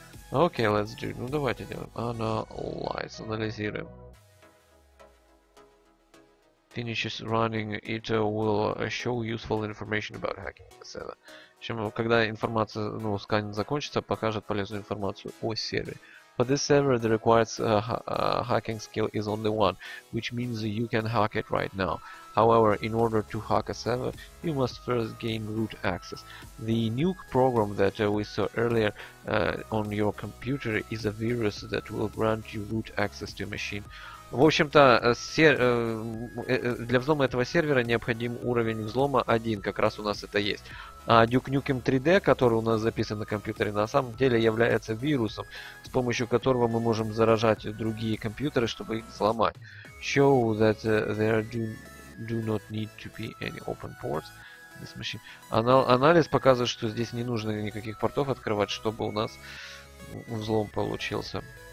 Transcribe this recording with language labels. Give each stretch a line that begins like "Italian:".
Russian: Окей,
English: let's do.
Russian: Ну, давайте делаем. Analyze. Анализируем.
English: Finishes running, it will show useful information about hacking the server. В общем, когда информация, ну, скан закончится, покажет полезную информацию о сервере. For this server, the required hacking skill is only one, which means you can hack it right now. However, in order to hack a server, you must first gain root access. The Nuke program that we saw earlier on your computer is a virus that will grant you root access to a machine.
Russian: В общем-то, для взлома этого сервера необходим уровень взлома 1, как раз у нас это есть. А Duke Nukem 3D, который у нас записан на компьютере, на самом деле является вирусом, с помощью которого мы можем заражать другие компьютеры, чтобы их взломать.
English: Show that there do not need to be any open ports. This machine.
Russian: Анализ показывает, что здесь не нужно никаких портов открывать, чтобы у нас взлом получился.